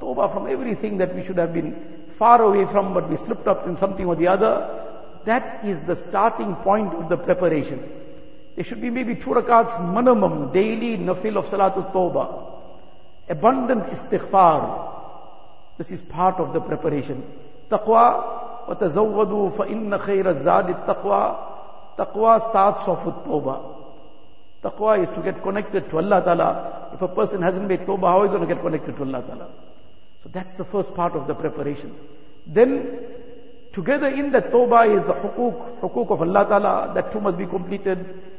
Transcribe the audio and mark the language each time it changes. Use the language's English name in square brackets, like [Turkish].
[English] Tawbah from everything that we should have been far away from, but we slipped up in something or the other. That is the starting point of the preparation. There should be maybe 2 rakats minimum, daily nafil of salatul tawbah. Abundant istighfar. This is part of the preparation. [Arabic] Taqwa, وَتَزَوَّدُوا فَإِنَّ خَيْرَ الزَّادِ التَّقْوَى. [English] Taqwa starts off with tawbah. Taqwa is to get connected to Allah Ta'ala. If a person hasn't made tawbah, how is he going to get connected to Allah Ta'ala? So that's the first part of the preparation. Then, together in that tawbah is the hukuk of Allah Ta'ala, that too must be completed.